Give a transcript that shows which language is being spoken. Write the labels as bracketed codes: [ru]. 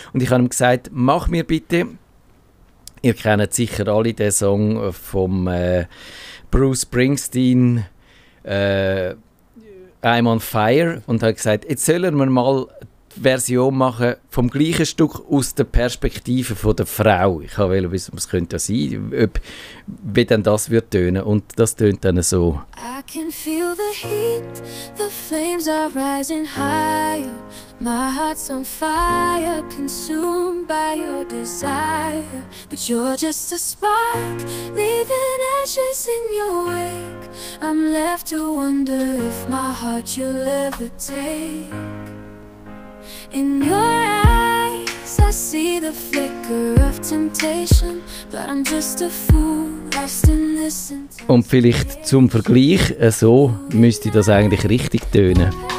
[de] Und ich habe ihm gesagt, mach mir bitte, ihr kennt sicher alle den Song von Bruce Springsteen, I'm on Fire, und habe gesagt, jetzt sollen wir mal Version machen vom gleichen Stück aus der Perspektive von der Frau. Ich wollte wissen, was könnte das sein, wie denn das wird tönen. Und das tönt dann so. [en] I can feel the heat, the flames are rising higher. My heart's on fire, consumed by your desire. But you're just a spark, leaving ashes in your wake. I'm left to wonder if my heart you'll ever take. In your eyes, I see the flicker of temptation, but I'm just a fool, lost in this. [de] Und vielleicht zum Vergleich, so müsste das eigentlich richtig tönen.